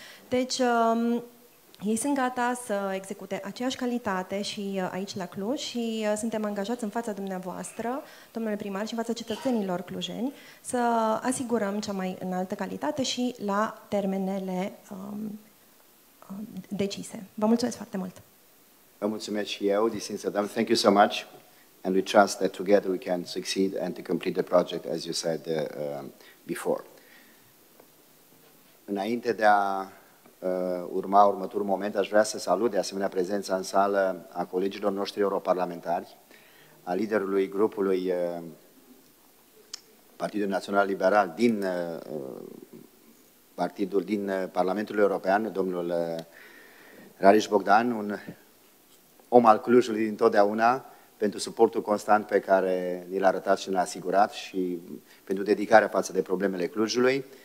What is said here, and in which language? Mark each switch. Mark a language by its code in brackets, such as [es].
[ro] Deci, ei sunt gata să execute aceeași calitate și aici la Cluj și suntem angajați în fața dumneavoastră, domnule primar, și în fața cetățenilor clujeni, să asigurăm cea mai înaltă calitate și la termenele decise. Vă mulțumesc foarte mult! Vă mulțumesc și eu, din sinceritate. [en] Thank you so much. And we trust that together we can succeed and to complete the project, as you said before. [ro] Înainte de a urma următorul moment, aș vrea să salut de asemenea prezența în sală a colegilor noștri europarlamentari, a liderului grupului Partidul Național Liberal din partidul din Parlamentul European, domnul Rareș Bogdan, un om al Clujului dintotdeauna, pentru suportul constant pe care l-a arătat și l-a asigurat și pentru dedicarea față de problemele Clujului.